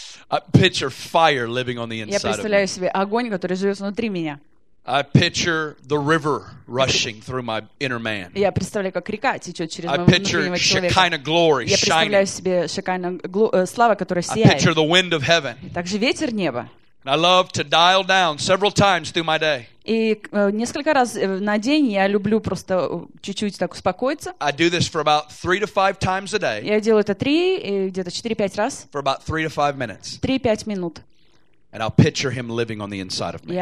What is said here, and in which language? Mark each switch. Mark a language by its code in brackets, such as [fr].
[en] I picture fire living on the inside of me. [ru] Я представляю себе огонь, который живет внутри меня. [en] I picture the river rushing through my inner man. [ru] Я представляю, как река течет через мой внутренний человек. [en] I picture Shekinah glory shining. [ru] Я представляю себе Шекайну славу, которая сияет. [en] I picture the wind of heaven. [ru] Также ветер неба. [en] And I love to dial down several times through my day. [ru] И несколько раз на день я люблю просто чуть-чуть так успокоиться. [en] I do this for about 3 to 5 times a day. [ru] Я делаю это где-то 4-5 раз. [en] For about 3 to 5 minutes. [ru] 3-5 минут. [en] And I'll picture him living on the inside of me.